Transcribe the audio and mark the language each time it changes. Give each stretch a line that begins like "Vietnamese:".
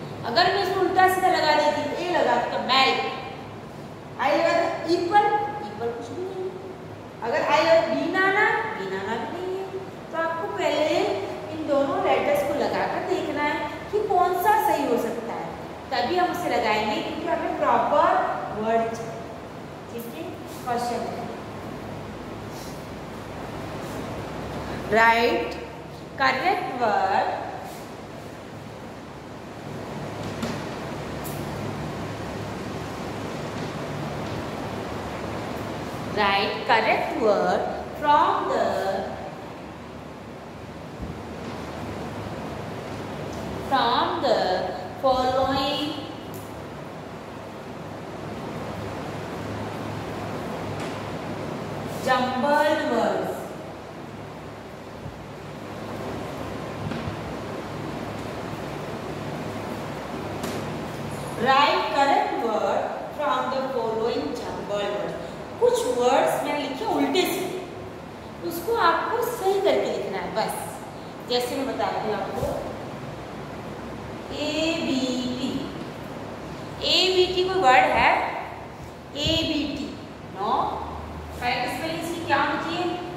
Hindi: अगर मैं इसको उल्टा सीधा लगा देती ए लगा तो मैल, आई लगा तो इक्वल, इक्वल कुछ भी नहीं। अगर आई लगा बीनाना, बीनाना भी नहीं है। तो आपको पहले इन दोनों लेटर्स को लगाकर देखना है कि कौन सा सही हो सकता है, तभी हम उसे लगाएंगे, क्योंकि हमें प्रॉपर वर्ड चाहिए।
English: Question write correct word write correct word from the following jumbled words. Write correct word from the following jumbled words.
Hindi: कुछ वर्ड्स मैंने लिखे उल्टे से, उसको आपको सही करके लिखना है बस। जैसे मैं बताती हूँ आपको, A B T, A B T कोई वर्ड है? A B T no, fact spelling इसकी क्या होनी चाहिए?